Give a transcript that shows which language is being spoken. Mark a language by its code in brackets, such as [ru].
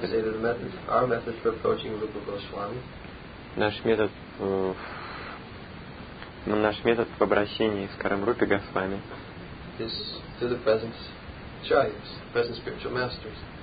[en] He said that our method for approaching Rupa Goswami. [ru] Наш метод в обращении с Карам Рупи Госвами. [en] Is through the presence of Acharyas, present spiritual masters.